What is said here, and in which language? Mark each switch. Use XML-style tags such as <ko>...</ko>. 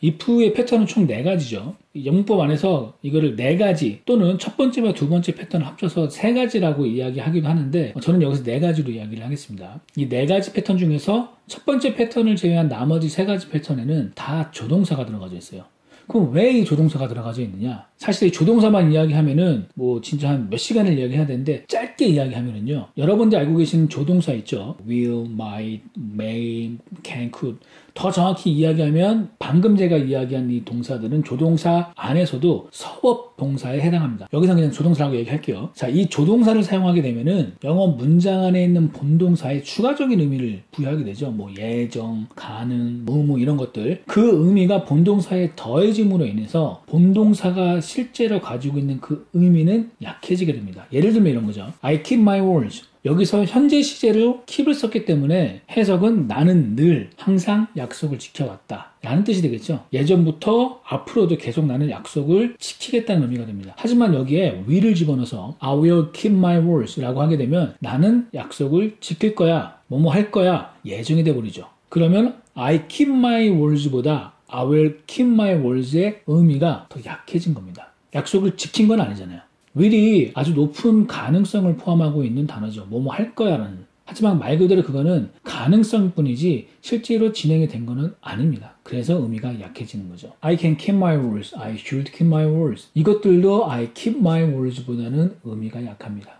<ko>if의 패턴은 총 네 가지죠. 영문법 안에서 이거를 네 가지 또는 첫 번째와 두 번째 패턴을 합쳐서 세 가지라고 이야기하기도 하는데 저는 여기서 네 가지로 이야기를 하겠습니다. 이 네 가지 패턴 중에서 첫 번째 패턴을 제외한 나머지 세 가지 패턴에는 다 조동사가 들어가져 있어요. 그럼 왜 이 조동사가 들어가져 있느냐? 사실 이 조동사만 이야기하면은 뭐 진짜 한 몇 시간을 이야기해야 되는데 짧게 이야기하면은요. 여러분들 알고 계신 조동사 있죠?</ko> <en>will, might, may, can, could.</en> <ko>더 정확히 이야기하면 방금 제가 이야기한 이 동사들은 조동사 안에서도 서버 동사에 해당합니다. 여기서는 그냥 조동사라고 얘기할게요. 자, 이 조동사를 사용하게 되면은 영어 문장 안에 있는 본동사에 추가적인 의미를 부여하게 되죠. 뭐 예정, 가능, 무무 이런 것들. 그 의미가 본동사에 더해짐으로 인해서 본동사가 실제로 가지고 있는 그 의미는 약해지게 됩니다. 예를 들면 이런 거죠.</ko> <en>I keep my words.</en> <ko>여기서 현재 시제로 keep을 썼기 때문에 해석은 나는 늘 항상 약속을 지켜왔다 라는 뜻이 되겠죠. 예전부터 앞으로도 계속 나는 약속을 지키겠다는 의미가 됩니다. 하지만 여기에 will을 집어넣어서</ko> <en>I will keep my words</en> <ko>라고 하게 되면 나는 약속을 지킬 거야 뭐뭐 할 거야 예정이 돼버리죠. 그러면</ko> <en>I keep my words</en> <ko>보다</ko> <en>I will keep my words</en> <ko>의 의미가 더 약해진 겁니다. 약속을 지킨 건 아니잖아요. will이 아주 높은 가능성을 포함하고 있는 단어죠. 뭐뭐 할 거야 라는. 하지만 말 그대로 그거는 가능성 뿐이지 실제로 진행이 된 거는 아닙니다. 그래서 의미가 약해지는 거죠.</ko> <en>I can keep my words. I should keep my words.</en> <ko>이것들도</ko> <en>I keep my words</en> <ko>보다는 의미가 약합니다.</ko>